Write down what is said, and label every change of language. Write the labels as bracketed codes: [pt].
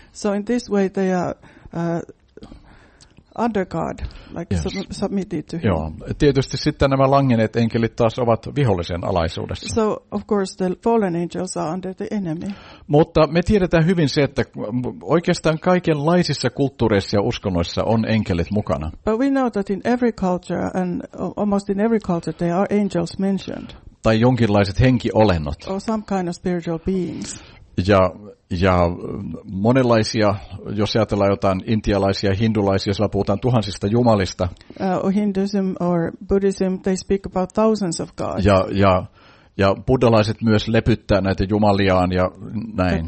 [en] So in this way they are under God, like yes. Submitted to him. [fi] Joo. Tietysti sitten nämä langenneet enkelit taas ovat vihollisen alaisuudessa. [en] So, of course, the fallen angels are under the enemy. [fi] Mutta me tiedetään hyvin se, että oikeastaan kaikenlaisissa kulttuureissa ja uskonnoissa on enkelit mukana. [en] But we know that in every culture, and almost in every culture, there are angels mentioned. [fi] Tai jonkinlaiset henkiolennot. [en] Or some kind of spiritual beings. [fi] Ja monenlaisia, jos ajatellaan jotain intialaisia, hindulaisia, siellä puhutaan tuhansista jumalista. [en] Or Hinduism or Buddhism, they speak about thousands of gods. [fi] Ja buddhalaiset myös lepyttää näitä jumaliaan ja näin.